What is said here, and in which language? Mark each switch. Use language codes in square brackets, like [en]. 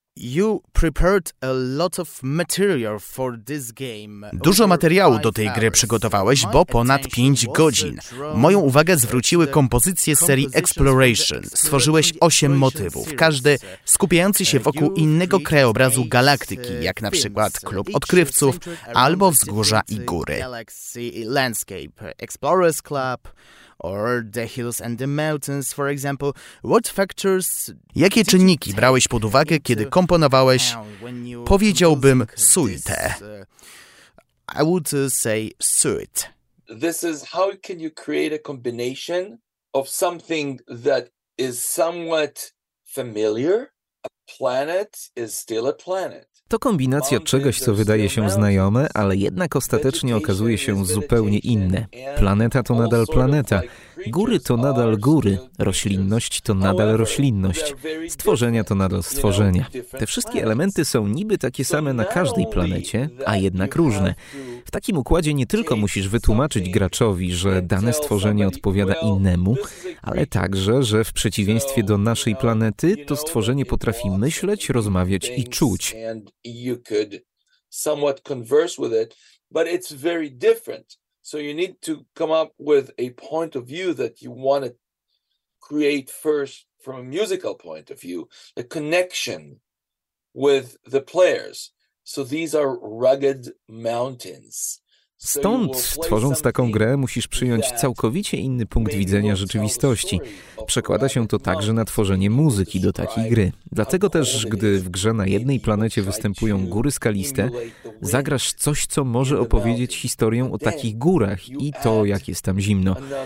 [en] You prepared a lot of material for this game. [pl] Dużo materiału do tej gry przygotowałeś, bo ponad 5 godzin. Moją uwagę zwróciły kompozycje serii Exploration. Stworzyłeś 8 motywów, każdy skupiający się wokół innego krajobrazu galaktyki, jak na przykład Klub Odkrywców albo Wzgórza i Góry. [en] Galaxy Landscape, Explorers Club, or the hills and the mountains, for example, what factors... [pl] Jakie czynniki brałeś pod uwagę, kiedy komponowałeś, powiedziałbym, suite? [en] I would say suite. This is how can you create a combination of something that is somewhat familiar. A planet is still a planet. [pl] To kombinacja czegoś, co wydaje się znajome, ale jednak ostatecznie okazuje się zupełnie inne. Planeta to nadal planeta, góry to nadal góry, roślinność to nadal roślinność, stworzenia to nadal stworzenia. Te wszystkie elementy są niby takie same na każdej planecie, a jednak różne. W takim układzie nie tylko musisz wytłumaczyć graczowi, że dane stworzenie odpowiada innemu, ale także, że w przeciwieństwie do naszej planety, to stworzenie potrafi myśleć, rozmawiać i czuć. [en] You could somewhat converse with it, but it's very different. So you need to come up with a point of view that you want to create first from a musical point of view, a connection with the players. So these are rugged mountains. [pl] Stąd, tworząc taką grę, musisz przyjąć całkowicie inny punkt widzenia rzeczywistości. Przekłada się to także na tworzenie muzyki do takiej gry. Dlatego też, gdy w grze na jednej planecie występują góry skaliste, zagrasz coś, co może opowiedzieć historię o takich górach i to, jak jest tam zimno.